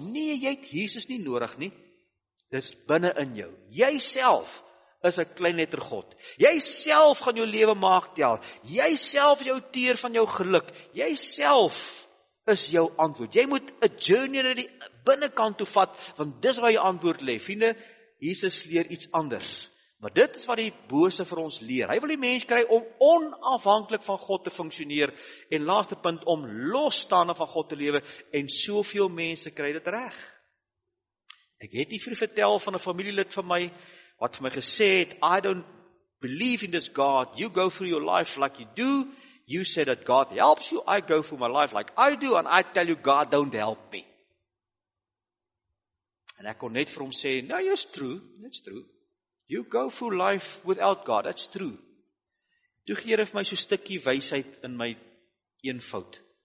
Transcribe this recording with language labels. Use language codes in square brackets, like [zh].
[af] Nee, jy het Jesus nie nodig nie. Dit is binne in jou. Jy self is 'n klein letter God. Jy self gaan jou lewe maak tel. Jy self jou teer van jou geluk. Jy self is jou antwoord. Jy moet 'n journey na die binnenkant toe vat, want dis waar jou antwoord lê. Vriende, Jesus leer iets anders. Maar dit is wat die bose vir ons leer. Hy wil die mens kry om onafhanklik van God te funksioneer en laaste punt om losstaande van God te lewe en soveel mense kry dit reg. Ek het hier vertel van 'n familielid van my wat vir my gesê het, [en] I don't believe in this God. You go through your life like you do. You say that God helps you. I go through my life like I do and I tell you God don't help me. [af] En ek kon net vir hom sê, nou jy is true, [en] it's true. You go through life without God, that's true. [af] Toe gee hy vir my so stikkie wysheid in my eenvoud.